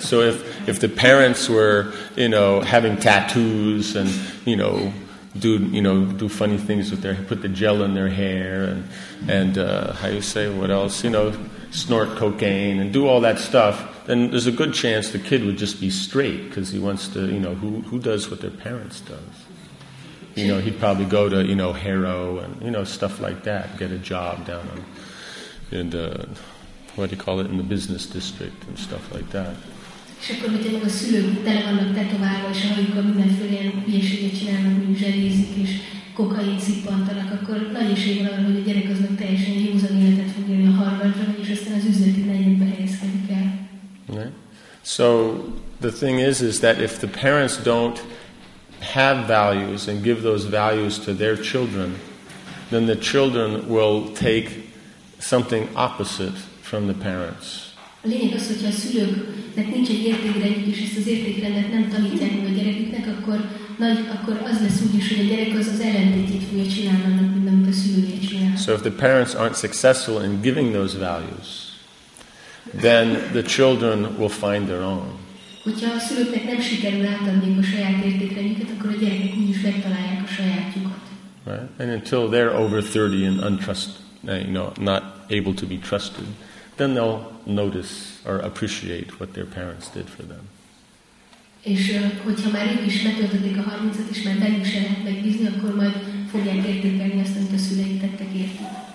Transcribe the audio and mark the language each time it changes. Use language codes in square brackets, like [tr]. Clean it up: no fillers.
[en] So if the parents were, you know, having tattoos and, you know, do funny things with their, put the gel in their hair and how you say, what else, you know, snort cocaine and do all that stuff, then there's a good chance the kid would just be straight because he wants to, you know, who does what their parents does? You know, he'd probably go to, you know, Harrow and, you know, stuff like that, get a job down on, in the, what do you call it, in the business district and stuff like that. [hu] És akkor, hogyha meg a szülők tele vannak tetoválva, és amikor mindenféle ilyen hülyeséget csinálnak, mint zselézik, és kokain szippantanak, akkor nagy esély van arra, hogy a gyerek aznak teljesen józan életet fog élni a Harvardra, és aztán az üzleti negyedbe helyezkedik el. [en] Right. So the thing is that if the parents don't have values and give those values to their children, then the children will take something opposite from the parents. [hu] A lényeg az, hogyha a szülőknek nincs egy értékrendjük, és ezt az értékrendet nem tanítják meg a gyereküknek, akkor az lesz úgy is, hogy a gyerek az ellentétét fogja csinálni annak, mint amit a szülője csinál. [en] So if the parents aren't successful in giving those values, then the children will find their own. [hu] Hogyha a szülőknek nem sikerül átadni a saját értékrendjüket, akkor a gyerekek úgy is megtalálják a sajátjukat. [en] Right? And until they're over 30 and not able to be trusted, then they'll notice or appreciate what their parents did for them. [hu] És hogyha már ők is betöltötték a 30-at, és már bennük se lehet megbízni, akkor majd fogják értékelni azt, amit a szüleik tettek értük.